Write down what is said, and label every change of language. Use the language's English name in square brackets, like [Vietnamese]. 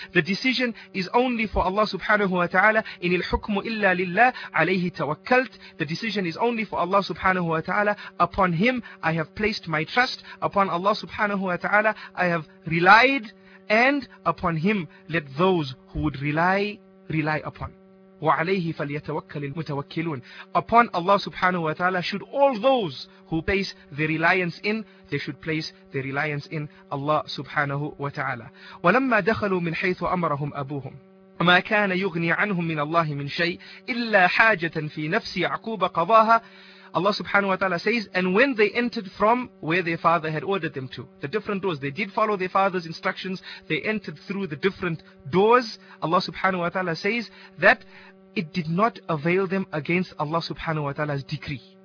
[English] The decision is only for Allah subhanahu wa ta'ala. [Arabic] In al-hukmu illa lillah alayhi tawakkalt. [English] The decision is only for Allah subhanahu wa ta'ala. Upon him I have placed my trust. Upon Allah subhanahu wa ta'ala I have relied. And upon him let those who would rely upon. [Arabic] وعليه فليتوكل المتوكلون. [English] Upon Allah subhanahu wa ta'ala should all those who place their reliance in, they should place their reliance in Allah subhanahu wa ta'ala. [Arabic] ولما دخلوا من حيث أمرهم أبوهم وما كان يغني عنهم من الله من شيء إلا حاجة في نفس يعقوب قضاها. [English] Allah subhanahu wa ta'ala says, and when they entered from where their father had ordered them to, the different doors, they did follow their father's instructions, they entered through the different doors, Allah subhanahu wa ta'ala says that it did not avail them against Allah subhanahu wa ta'ala's decree.